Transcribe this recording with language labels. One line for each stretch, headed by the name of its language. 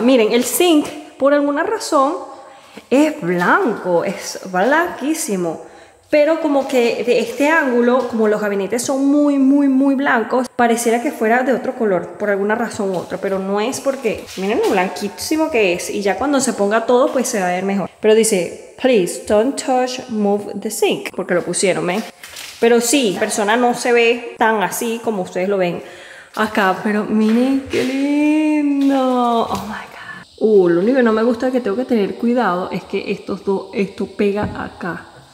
Spanish: Miren, el zinc, por alguna razón, es blanco, es blanquísimo. Pero como que de este ángulo, como los gabinetes son muy, muy, muy blancos, pareciera que fuera de otro color, por alguna razón u otra. Pero no es porque, miren lo blanquísimo que es. Y ya cuando se ponga todo, pues se va a ver mejor. Pero dice,
English: please, don't touch, move the zinc.
Spanish: Porque lo pusieron, ¿ven? Pero sí, la persona no se ve tan así como ustedes lo ven acá. Pero miren qué lindo.
English: Oh, my God.
Spanish: Lo único que no me gusta que tengo que tener cuidado es que estos dos, esto pega acá.